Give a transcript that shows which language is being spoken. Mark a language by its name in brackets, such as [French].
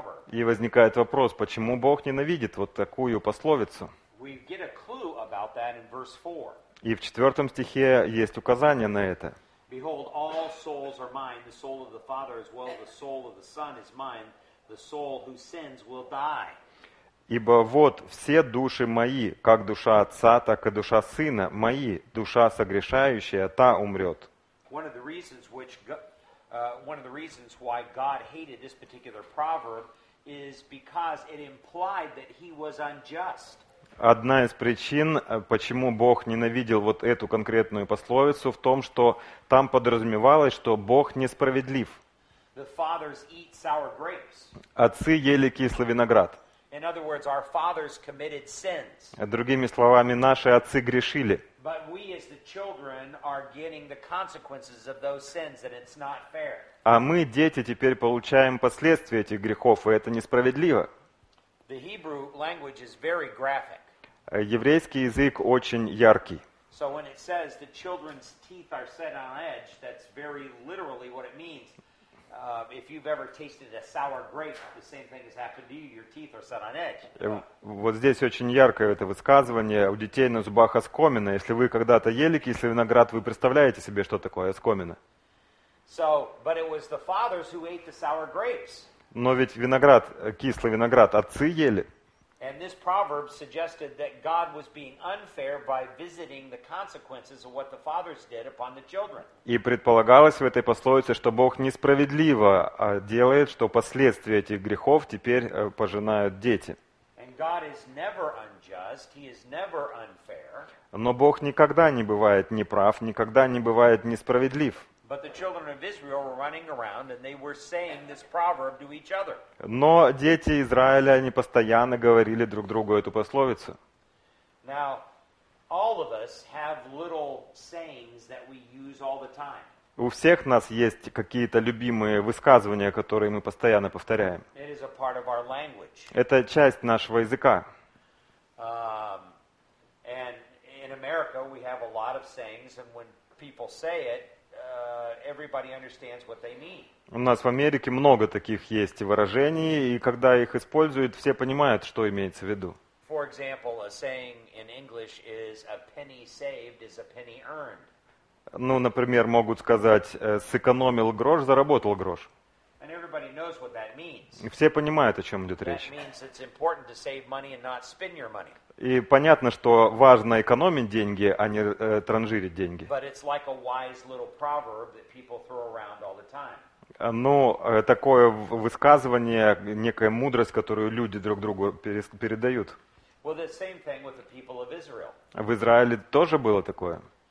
[Russian] И возникает вопрос, почему Бог ненавидит вот такую пословицу? И в четвертом стихе есть указание на это. [English] Behold, all souls are mine, the soul of the Father as well, the soul of the Son is mine, the soul who sins will die. [Russian] Ибо вот все души мои, как душа отца, так и душа сына мои, душа согрешающая, та умрет. [English] One of the reasons why God hated this particular proverb is because it implied that he was unjust. [Russian] Одна из причин, почему Бог ненавидел вот эту конкретную пословицу, в том, что там подразумевалось, что Бог несправедлив. [English] The fathers eat sour grapes. [Russian] Отцы ели кислый виноград. [English] In other words, our fathers committed sins. [Russian] Другими словами, наши отцы грешили. [English] But we as the children are getting the consequences of those sins, and it's not fair. [Russian] А мы, дети, теперь получаем последствия этих грехов, и это несправедливо. [English] The Hebrew language is very graphic. [Russian] Еврейский язык очень яркий. [English] So when it says the children's teeth are set on edge, that's very literally what it means. If you've ever tasted a sour grape, the same thing has happened to you. Your teeth are set on edge. [Russian] Вот здесь очень яркое это высказывание. У детей на зубах оскомина. Если вы когда-то ели кислый виноград, вы представляете себе, что такое оскомина? [English] So, but it was the fathers who ate the sour grapes. [Russian] Но ведь виноград, кислый виноград, отцы ели. [English] And this proverb suggested that God was being unfair by visiting the consequences of what the fathers did upon the children. [Russian] И предполагалось в этой пословице, что Бог несправедливо делает, что последствия этих грехов теперь пожинают дети. [English] And God is never unjust, he is never unfair. [Russian] Но Бог никогда не бывает неправ, никогда не бывает несправедлив. [English] But the children of Israel were running around and they were saying this proverb to each other. [Russian] Но дети Израиля они постоянно говорили друг другу эту пословицу. [English] Now, all of us have little sayings that we use all the time. [Russian] У всех нас есть какие-то любимые высказывания, которые мы постоянно повторяем. [English] It is a part of our language. [Russian] Это часть нашего языка. [English] And in America we have a lot of sayings and when people say it, everybody understands what they mean. [Russian] У нас в Америке много таких есть выражений, и когда их используют, все понимают, что имеется в виду. [English] For example, a saying in English is a penny saved is a penny earned. [Russian] Ну, например, могут сказать, сэкономил грош, заработал грош. [English] And everybody knows what that means. [Russian] Все понимают, о чем идет речь. [English] That means it's important to save money and not spend your money. [Russian] И понятно, что важно экономить деньги, а не транжирить деньги. [English] But it's like a wise little proverb that people throw around all the time. [Russian] Ну, такое высказывание, некая мудрость, которую люди друг другу передают. [English] Well, the same thing with the people of Israel. [Russian] В Израиле тоже было такое.